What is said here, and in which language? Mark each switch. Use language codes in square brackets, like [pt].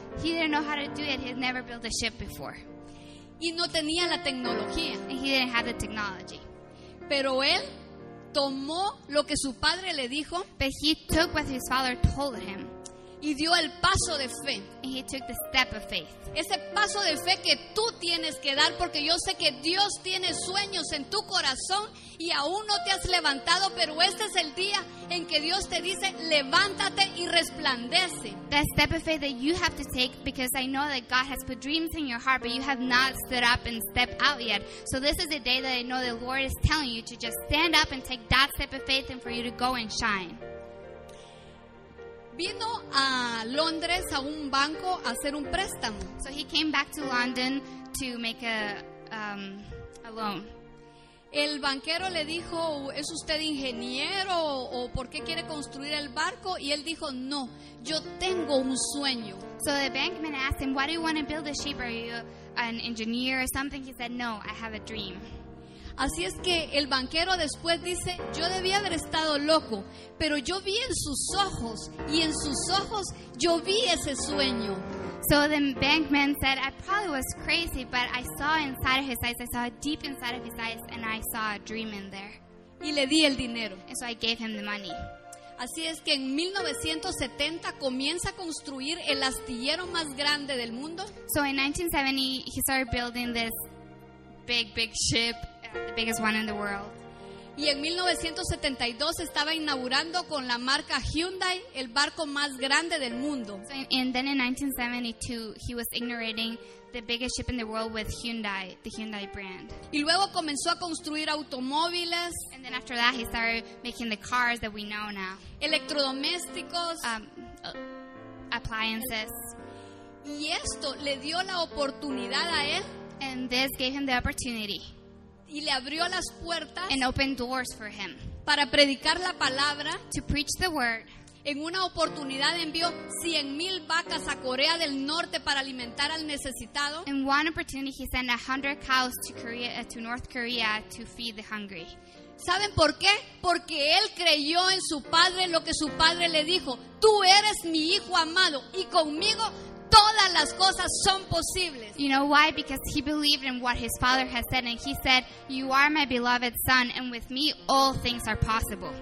[en] He didn't know how to do it. He had never built a ship before. [es] Y no tenía la tecnología. [en] And he didn't have the technology. [es] Pero él tomó lo que su padre le dijo. [en] But he took what his father told him. [es] Y dio el paso de fe. [en] And he took the step of faith. [es] Ese paso de fe que tú tienes que dar, porque yo sé que Dios tiene sueños en tu corazón y aún no te has levantado, pero este es el día en que Dios te dice, levántate y resplandece. [en] That step of faith that you have to take, because I know that God has put dreams in your heart, but you have not stood up and stepped out yet. So this is the day that I know the Lord is telling you to just stand up and take that step of faith and for you to go and shine. [es] Vino a Londres a un banco a hacer un préstamo. [en] So he came back to London to make a loan. [es] El banquero le dijo, ¿es usted ingeniero o por qué quiere construir el barco? Y él dijo, no, yo tengo un sueño. [en] So the bankman asked him, why do you want to build a ship? Are you an engineer or something? He said, no, I have a dream. [es] Así es que el banquero después dice, yo debía haber estado loco, pero yo vi en sus ojos, y en sus ojos yo vi ese sueño. [en] So the bank man said, I probably was crazy, but I saw inside of his eyes, I saw deep inside of his eyes, and I saw a dream in there. [es] Y le di el dinero. [en] And so I gave him the money. [es] Así es que en 1970 comienza a construir el astillero más grande del mundo. [en] So in 1970 he started building this big ship. The biggest one in the world. [es] Y en 1972 estaba inaugurando con la marca Hyundai el barco más grande del mundo. [en] So and then in 1972 he was inaugurating the biggest ship in the world with Hyundai, the Hyundai brand. [es] Y luego comenzó a construir automóviles. [en] And then after that he started making the cars that we know now. [es] Electrodomésticos. [en] Appliances. [es] Y esto le dio la oportunidad a él. [en] And this gave him the opportunity. [es] Y le abrió las puertas. [en] And opened doors for him. [es] Para predicar la palabra. [en] To preach the word. [es] En una oportunidad envió 100,000 vacas a Corea del Norte para alimentar al necesitado. [en] In one opportunity he sent 100 cows to Korea, to North Korea to feed the hungry. [es] ¿Saben por qué? Porque él creyó en su padre lo que su padre le dijo. Tú eres mi hijo amado y conmigo todas las cosas son posibles. [en] You know why? Because he believed in what his father has said, and he said, "You are my beloved son, and with me all things are possible."